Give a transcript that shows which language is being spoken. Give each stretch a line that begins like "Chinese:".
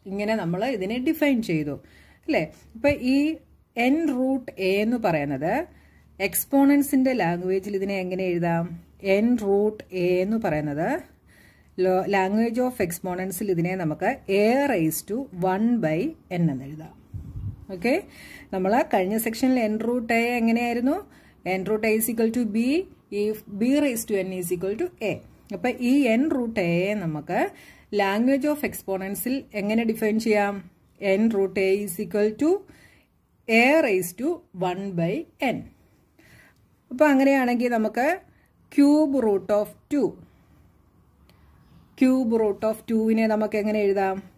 Malayalam: ഇങ്ങനെ നമ്മൾ ഇതിനെ ഡിഫൈൻ ചെയ്തു അല്ലേ. ഇപ്പം ഈ എൻ റൂട്ട് എ എന്ന് പറയുന്നത് എക്സ്പോണൻസിൻ്റെ ലാംഗ്വേജിൽ ഇതിനെ എങ്ങനെ എഴുതാം?
English: n root a
Malayalam: എന്ന് പറയുന്നത്
English: language of എക്സ്പോണൻസിൽ
Malayalam: ഇതിനെ നമുക്ക്
English: a raise to one by n
Malayalam: എന്ന് എഴുതാം. ഓക്കെ, നമ്മൾ കഴിഞ്ഞ സെക്ഷനിൽ
English: n root a
Malayalam: എങ്ങനെയായിരുന്നു?
English: N root a is equal to b. If b raised to n is equal to a.
Malayalam: അപ്പോൾ ഈ
English: n root എയെ
Malayalam: നമുക്ക് ലാംഗ്വേജ് ഓഫ് എക്സ്പോണൻസിൽ എങ്ങനെ ഡിഫൈൻ ചെയ്യാം?
English: N root a is equal to a raise to one by n.
Malayalam: അപ്പോൾ അങ്ങനെയാണെങ്കിൽ നമുക്ക്
English: cube root of two,
Malayalam: cube root of ടുവിനെ നമുക്ക് എങ്ങനെ എഴുതാം?